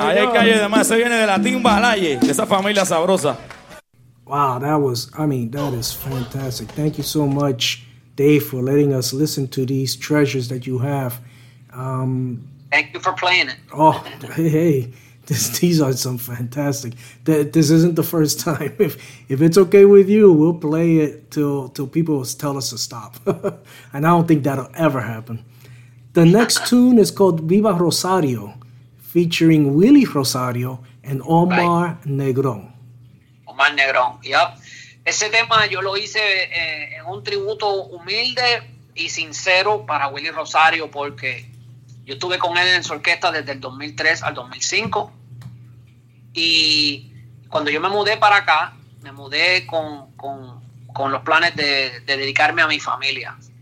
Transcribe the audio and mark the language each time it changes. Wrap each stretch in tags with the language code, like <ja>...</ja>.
<es>Ahí hay calle de más. Eso viene de la Timbalaye, de esa familia sabrosa.</es> <en>Wow, that was, that is fantastic. Thank you so much, Dave, for letting us listen to these treasures that you have. Thank you for playing it. Oh, hey, these are some fantastic. This isn't the first time. If it's okay with you, we'll play it till people tell us to stop. And I don't think that'll ever happen. The next tune is called Viva Rosario, featuring Willie Rosario and Omar Negrón. Omar Negrón, yep.</en> <es>Ese tema yo lo hice en un tributo humilde y sincero para Willie Rosario, porque yo estuve con él en su orquesta desde el 2003 al 2005. Y cuando yo me mudé para acá, me mudé con los planes de dedicarme a mi familia.</es>